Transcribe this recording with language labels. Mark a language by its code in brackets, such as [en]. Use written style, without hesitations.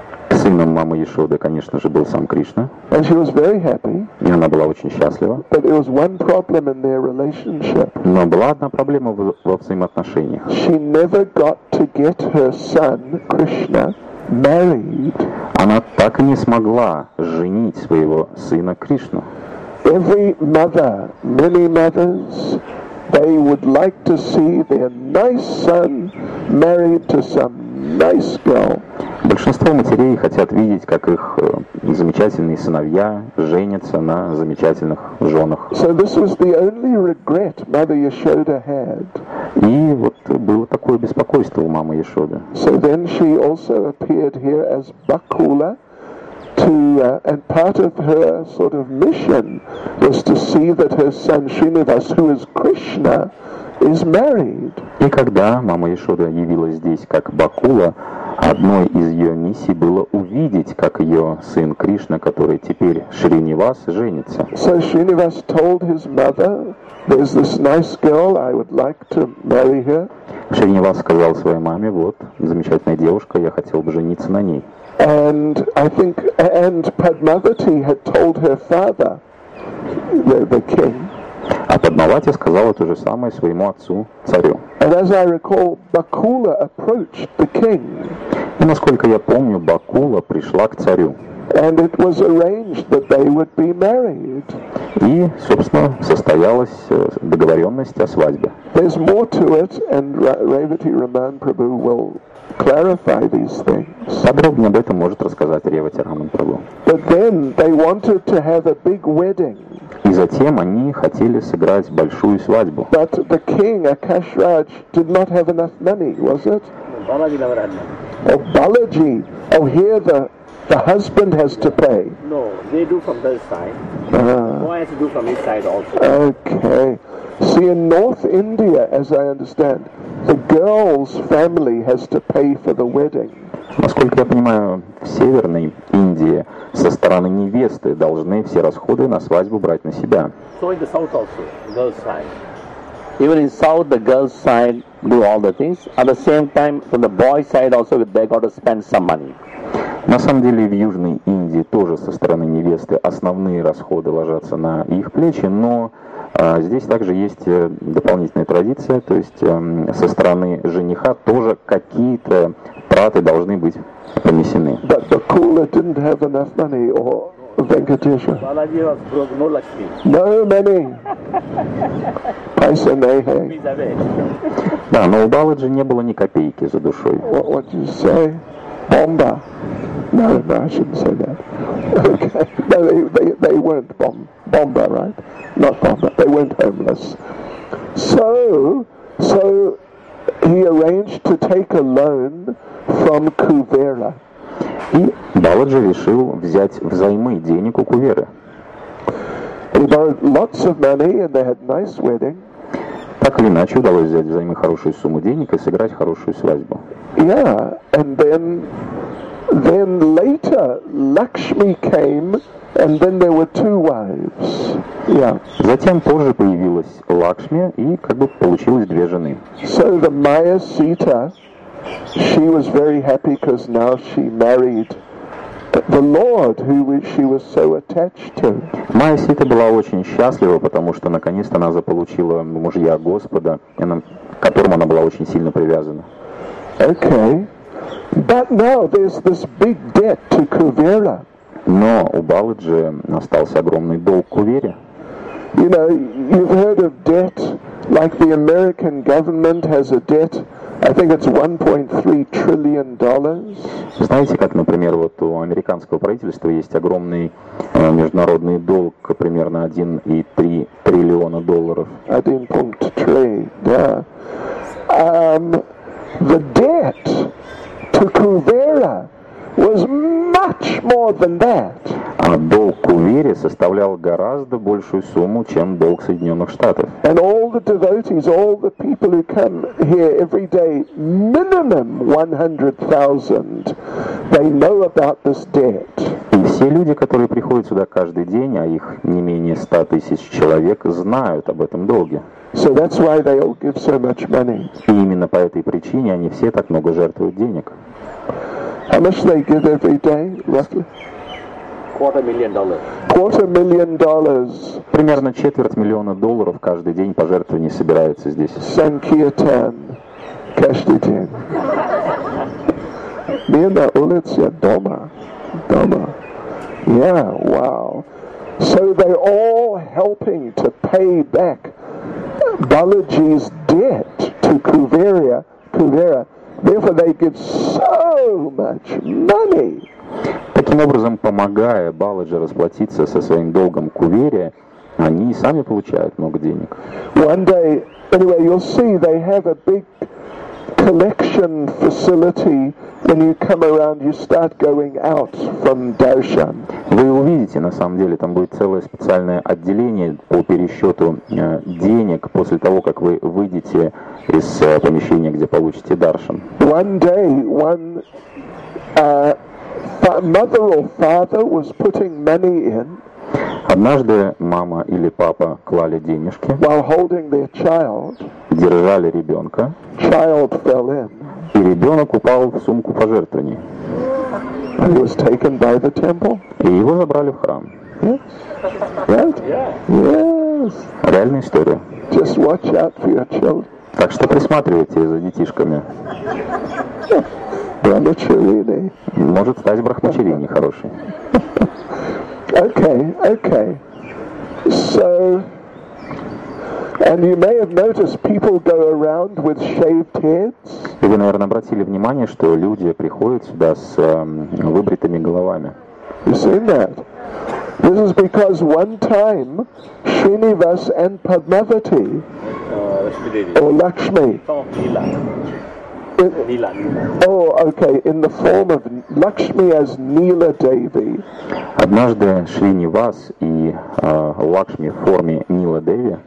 [ru] Сыном мамы Яшоды, конечно же, был сам Кришна. [en] And she was very happy. [ru] И она была очень счастлива. [en] But there was one problem in their relationship. [ru] Но была одна проблема во взаимоотношениях. [en] She never got to get her son Krishna married. [ru] Она так и не смогла женить своего сына Кришну. [en] Every mother, many mothers, they would like to see their nice son married to some nice girl. [ru] Большинство матерей хотят видеть, как их замечательные сыновья женятся на замечательных женах. [en] So this was the only regret Mother Yashoda had. [ru] И вот было такое беспокойство у мамы Яшоды. [en] So then she also appeared here as Bakula. And part of her sort of mission was to see that her son Srinivas, who is Krishna, is married. [ru] И когда мама Яшода явилась здесь как Бакула, одной из ее миссий было увидеть, как ее сын Кришна, который теперь Шринивас, женится. [en] So Srinivas told his mother, "There's this nice girl. I would like to marry her." [ru] Шринивас сказал своей маме: "Вот замечательная девушка, я хотел бы жениться на ней." [en] And I think, and Padmavati had told her father, the king. [ru] А Падмавати сказала то же самое своему отцу, царю. [en] And as I recall, Bakula approached the king. [ru] И насколько я помню, Бакула пришла к царю. [en] And it was arranged that they would be married. [ru] И, собственно, состоялась договоренность о свадьбе. [en] There's more to it, and Revati Raman Prabhu will clarify these things. [ru] Подробнее об этом может рассказать Ревати Раман Прабху. [en] But then they wanted to have a big wedding. [ru] И затем они хотели сыграть большую свадьбу. [en] But the king Akashraj did not have enough money, was it? Balaji Navaraja. Oh, Balaji. Oh, here the husband has to pay. No, they do from this side. Boy has to do from his side also. Okay. See, in North India, as I understand, the girl's family has to pay for the wedding. [ru] Насколько я понимаю, в Северной Индии со стороны невесты должны все расходы на свадьбу брать на себя. [en] So in the south also, girl's side. Even in south, the girl's side do all the things. At the same time, from the boy's side also, they got to spend some money. [ru] На самом деле, в Южной Индии тоже со стороны невесты основные расходы ложатся на их плечи, но здесь также есть дополнительная традиция, то есть со стороны жениха тоже какие-то траты должны быть понесены. [en] But Bakula didn't have enough money, or Venkatesha. Balaji was broke, no Lakshmi. No money. [hi] Paisa nahi. [ru] Да, но у Баладжи не было ни копейки за душой. [en] What did you say? Бомба. No, no, I shouldn't say that. Okay. No, they weren't Bomba, right? Not Bomba. They weren't homeless. So he arranged to take a loan from Kuvera. [ru] И Баладжи решил взять взаймы денег у Кувера. [en] He borrowed lots of money and they had nice wedding. [ru] Так или иначе, удалось взять взаймы хорошую сумму денег и сыграть хорошую свадьбу. [en] Yeah, and then later Lakshmi came, and then there were two wives. Yeah. [ru] Затем позже появилась Лакшми, и как бы получилось две жены. [en] So the Maya Sita, she was very happy because now she married the Lord who she was so attached to. [ru] Майя Сита была очень счастлива, потому что наконец-то она заполучила мужья Господа, к которому она была очень сильно привязана. [en] Okay. But now there's this big debt to Kuvera. [ru] Но у Баладжи остался огромный долг Кувере. [en] You know, you've heard of debt, like the American government has a debt, I think it's $1.3 trillion. [ru] Знаете, как, например, вот у американского правительства есть огромный международный долг, примерно $1.3 trillion. [en] The debt to Kuvera was much more than that. [ru] А долг Кувере составлял гораздо большую сумму, чем долг Соединенных Штатов. [en] And all the devotees, all the people who come here every day, minimum 100,000, they know about this debt. [ru] И все люди, которые приходят сюда каждый день, а их не менее 100,000 человек, знают об этом долге. [en] So that's why they all give so much money. [ru] И именно по этой причине они все так много жертвуют денег. [en] How much they give every day, roughly? $250,000. [ru] Примерно $250,000 каждый день пожертвований собирается здесь. Sankirtan, каждый день. Мне на улице дома. [en] Yeah, wow. So they all helping to pay back Balaji's debt to Kuvera. Therefore, they give so much money. [ru] Таким образом, помогая Баладжи расплатиться со своим долгом Кувере, они и сами получают много денег. [en] One day, anyway, you'll see they have a big collection facility. When you come around, you start going out from Darshan. [ru] Вы увидите, на самом деле, там будет целое специальное отделение по пересчету денег после того, как вы выйдете из помещения, где получите даршан. [en] One day, one mother or father was putting money in. [ru] Однажды мама или папа клали денежки. [en] While holding their child. [ru] Держали ребенка. [en] Child fell in. [ru] И ребенок упал в сумку пожертвований. [en] He was taken by the temple. [ru] И его забрали в храм. [en] Yes. Right? Yes. [ru] Реальная история. [en] Just watch out for your children. [ru] Так что присматривайте за детишками. Брахмачарини. Может стать брахмачарини хороший. [en] Okay. So, and you may have noticed people go around with shaved heads. [ru] И вы, наверное, обратили внимание, что люди приходят сюда с выбритыми головами. [en] You seen that? This is because one time Srinivas and Padmavati, or Lakshmi, in the form of Lakshmi as Neela Devi. [ru] Однажды Шринивас и Лакшми в форме Нила Деви.